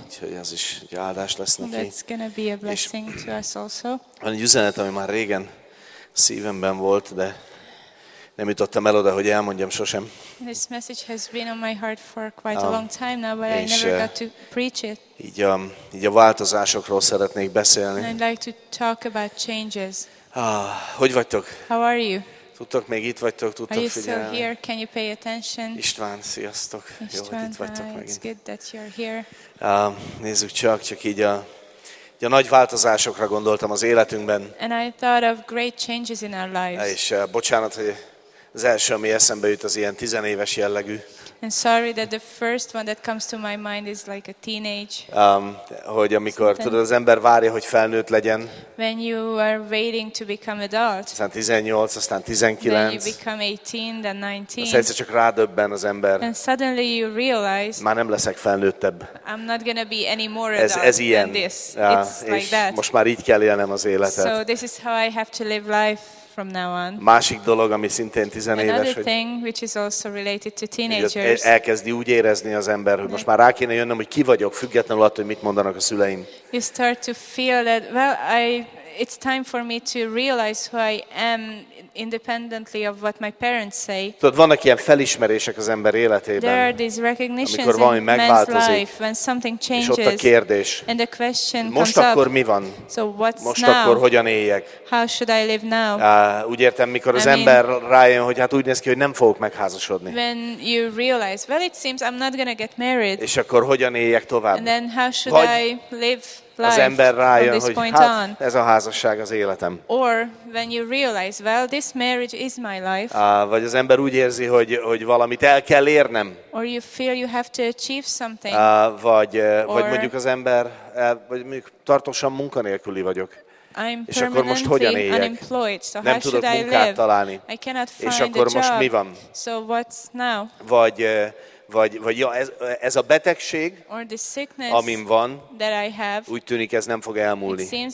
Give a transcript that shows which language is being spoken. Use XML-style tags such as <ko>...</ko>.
<hu>Úgyhogy ez is egy áldás lesz neki.</hu> <en>That's gonna be a blessing to us also.</en> <hu>Van egy üzenet, ami már régen szívemben volt, de nem jutottam el oda, hogy elmondjam sosem.</hu> <en>This message has been on my heart for quite a long time now, but I never got to preach it.</en> <hu>Így a változásokról szeretnék beszélni.</hu> <en>And I'd like to talk about changes.</en> <hu>Hogy vagytok?</hu> <en>How are you?</en> <hu>Tudtok, még itt vagytok, tudtok figyelni.</hu> <en>Are you still here? Can you pay attention?</en> <hu>István, sziasztok. István, jó, hogy itt vagytok megint.</hu> <en>It's good that you're here.</en> <hu>Nézzük csak így a nagy változásokra gondoltam az életünkben.</hu> <en>And I thought of great changes in our lives.</en> <hu>És bocsánat, hogy az első, ami eszembe jut, az ilyen tizenéves jellegű.</hu> <en>And sorry that the first one that comes to my mind is like a teenage.</en> <hu>Hogy amikor tudod, az ember várja, hogy felnőtt legyen.</hu> <en>When you are waiting to become adult.</en> <hu>Aztán 18, aztán 19.</hu> <en>Then you become 18, then 19.</en> <hu>Aztán egyszer csak rádöbben az ember.</hu> <en>And suddenly you realize.</en> <hu>Már nem leszek felnőttebb.</hu> <en>I'm not gonna be any more adult.</en> <hu>Ez ilyen.</hu> <en>Than this. Yeah, it's like that.</en> <hu>Most már így kell élnem az életet.</hu> <en>So this is how I have to live life. From now on.</en> <hu>Másik dolog, ami szintén tizenéves, hogy elkezdi úgy érezni az ember, hogy most már rá kéne jönnöm, hogy ki vagyok, függetlenül attól, hogy mit mondanak a szüleim.</hu> <en>You start to feel that, well, it's time for me to realize who I am independently of what my parents say.</en> <hu>Tudod, vannak ilyen felismerések az ember életében.</hu> <en>There are these recognitions in man's life when something changes.</en> <hu>És ott a kérdés.</hu> <en>And the question</en> <hu>most</hu> <en>comes</en> <hu>akkor</hu> <en>up,</en> <hu>mi van?</hu> <en>So what's</en> <hu>most</hu> <en>now?</en> <hu>Akkor hogyan éljek?</hu> <en>How should I live now?</en> <hu>Úgy értem, mikor az ember rájön, hogy hát úgy néz ki, hogy nem fogok megházasodni.</hu> <en>When you realize, well, it seems I'm not gonna get married.</en> <hu>És akkor hogyan éljek tovább?</hu> <en>And then how should I live?</en> <hu>Az ember rájön, hogy hát ez a házasság az életem.</hu> <en>Or when you realize, well, this marriage is my life.</en> <hu>Vagy az ember úgy érzi, hogy valamit el kell érnem.</hu> <en>Or you feel you have to achieve something.</en> <hu>Vagy mondjuk az ember, vagy mondjuk tartósan munkanélküli vagyok.</hu> <en>I'm</en> <hu>és akkor most hogyan éljek?</hu> <en>Unemployed, so</en> <hu>nem tudok munkát találni.</hu> <en>I cannot find</en> <hu>és akkor a most</hu> <en>job.</en> <hu>Mi van?</hu> <en>So what's now?</en> <hu>Vagy vagy ja, ez a betegség, amin van, úgy tűnik, ez nem fog elmúlni.</hu>